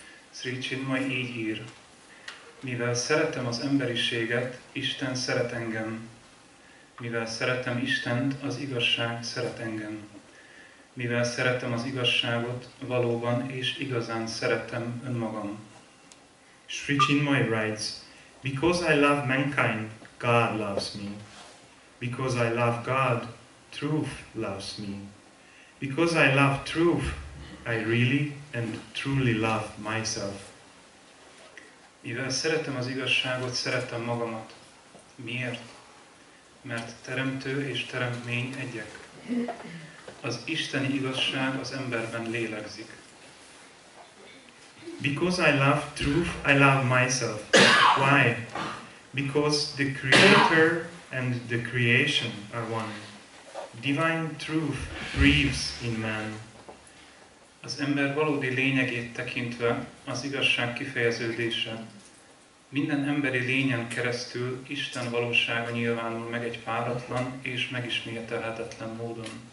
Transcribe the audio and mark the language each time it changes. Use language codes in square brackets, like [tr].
[hu] Szri Chinmoy így ír, mivel szeretem az emberiséget, Isten szeret engem. Mivel szeretem Istent, az igazság szeret engem. Mivel szeretem az igazságot, valóban és igazán szeretem önmagam. [en] Sri Chinmoy writes, because I love mankind, God loves me. Because I love God, truth loves me. Because I love truth, I really and truly love myself. [hu] Mivel szeretem az igazságot, szeretem magamat. Miért? Mert teremtő és teremtmény egyek. Az isteni igazság az emberben lélegzik. [en] Because I love truth, I love myself. Why? Because the creator and the creation are one. Divine truth breathes in man. [hu] Az ember valódi lényegét tekintve az igazság kifejeződése. Minden emberi lényen keresztül Isten valósága nyilvánul meg egy páratlan és megismételhetetlen módon.